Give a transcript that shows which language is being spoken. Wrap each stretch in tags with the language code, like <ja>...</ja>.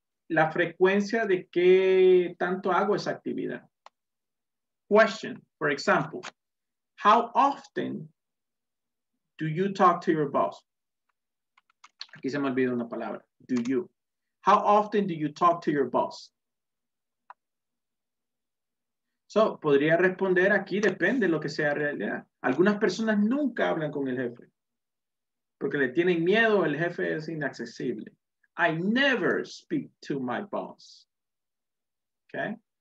<es>La frecuencia de qué tanto hago esa actividad.</es> <en>Question, for example, how often do you talk to your boss?</en> <es>Aquí se me olvidó una palabra.</es> <en>Do you? How often do you talk to your boss?</en> <es>So, podría responder aquí, depende de lo que sea realidad. Algunas personas nunca hablan con el jefe. Porque le tienen miedo, el jefe es inaccesible.</es> <en>I never speak to my boss.</en> <es>Okay?</es>